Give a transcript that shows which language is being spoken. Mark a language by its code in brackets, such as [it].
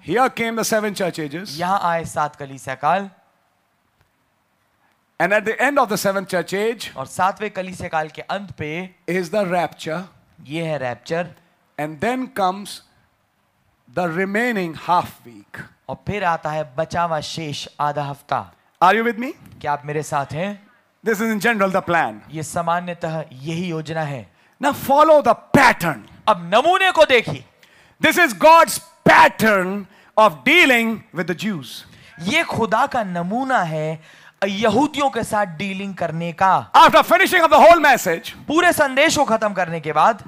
[en] here came the seven church ages, [hi] यहाँ आए सात कलीसिया काल, [en] and at the end of the seventh church age, [hi] और सातवें कलीसिया काल के अंत पे, [en] is the rapture, [hi] ये है rapture, [en] and then comes The remaining half week. [hi] और फिर आता है बचावा शेष आधा हफ्ता. [en] Are you with me? [hi] क्या आप मेरे साथ हैं? [en] This is in general the plan. [hi] ये सामान्यतः यही योजना है. [en] Now follow the pattern. [hi] अब नमूने को देखिए. [en] This is God's pattern of dealing with the Jews. [hi] ये खुदा का नमूना है यहूदियों के साथ डीलिंग करने का. [en] After finishing of the whole message, [hi] पूरे संदेश को खत्म करने के बाद,